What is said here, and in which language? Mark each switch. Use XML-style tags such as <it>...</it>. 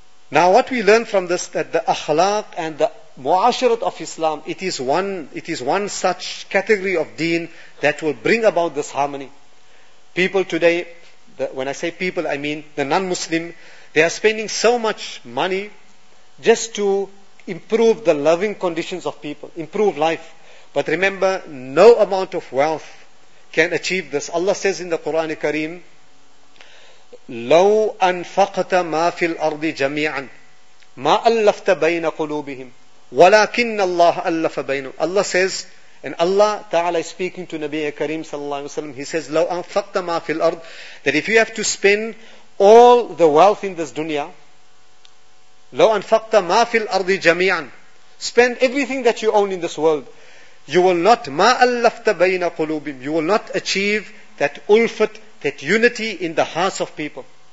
<en>Now what we learn from this, that the akhlaq and the mu'asharat of Islam, it is one such category of deen that will bring about this harmony. People today, when I say people, I mean the non-Muslim, they are spending so much money just to improve the loving conditions of people, improve life. But remember, no amount of wealth can achieve this. Allah says in the Quran Kareem,</en> <ar>لَوْ أَنْفَقْتَ مَا فِي الْأَرْضِ جَمِيعًا مَا أَلَّفْتَ بَيْنَ قُلُوبِهِمْ وَلَكِنَّ اللَّهَ أَلَّفَ بَيْنُهُمْ.</ar> <en>Allah says, and Allah Ta'ala is speaking to Nabi Kareem sallallahu alayhi wa sallam, He says,</en> <ar>لَوْ أَنْفَقْتَ مَا فِي الْأَرْضِ,</ar> <en>that if you have to spend all the wealth in this dunya,</en> <ar>لَوْ أَنْفَقْتَ مَا فِي الْأَرْضِ جَمِيعًا,</ar> <en>spend everything that you own in this world, you will not,</en> <ar>مَا أَلَّفْتَ بَيْنَ قُلُوبِهِمْ,</ar> <en>you will not achieve that ulfat, that unity in the hearts of people.</en>